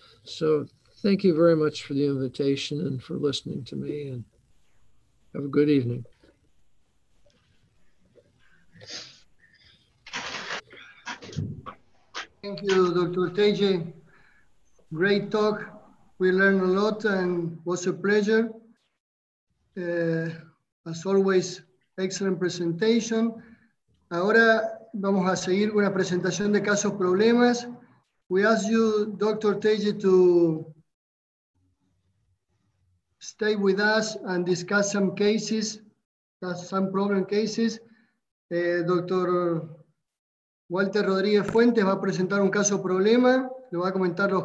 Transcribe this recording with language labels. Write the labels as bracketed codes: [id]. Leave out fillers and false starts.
[en] So thank you very much for the invitation and for listening to me, and have a good evening. Thank you, Dr. Teje. Great talk. We learned a lot and was a pleasure. As always, excellent presentation. [es] Ahora vamos a seguir una presentación de casos problemas. [en] We ask you, Dr. Teje, to stay with us and discuss some cases, some problem cases. [es] Dr. Walter Rodríguez Fuentes va a presentar un caso problema. Lo va a comentar los.